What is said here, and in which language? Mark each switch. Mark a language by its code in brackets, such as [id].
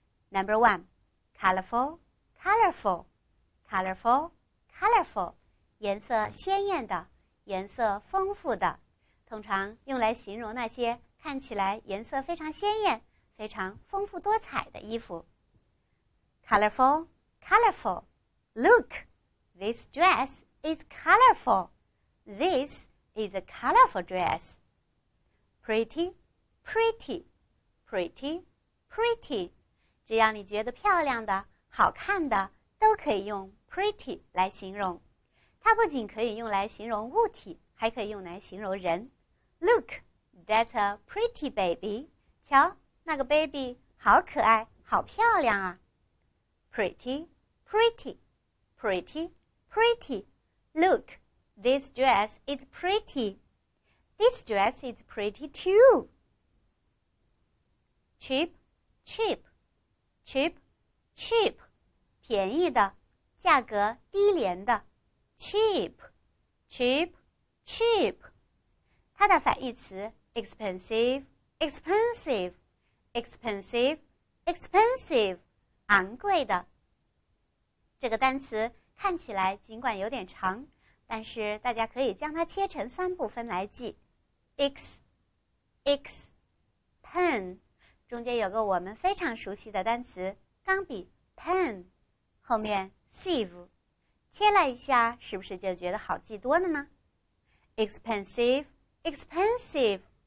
[en] Number one, colorful, colorful, colorful, colorful. [zh] 颜色鲜艳的，颜色丰富的，通常用来形容那些看起来颜色非常鲜艳，非常丰富多彩的衣服。 [en] Colorful, colorful. Look, this dress is colorful. This is a colorful dress. Pretty, pretty, pretty, pretty. [zh] 只要你觉得漂亮的、好看的，都可以用 pretty 来形容。它不仅可以用来形容物体，还可以用来形容人。 [en] Look, that's a pretty baby. [zh] 瞧，那个 baby 好可爱，好漂亮啊。 [en] Pretty, pretty, pretty, pretty. Look, this dress is pretty. This dress is pretty too. Cheap, cheap, cheap, cheap. [zh] 便宜的，价格低廉的。 [en] Cheap, cheap, cheap. [zh] 它的反义词 [en] expensive, expensive, expensive, expensive. [zh] 昂贵的。这个单词看起来尽管有点长，但是大家可以将它切成三部分来记 ：ex、ex、pen， 中间有个我们非常熟悉的单词钢笔 pen， 后面 sieve， 切了一下，是不是就觉得好记多了呢 ？ [en] Expensive, expensive.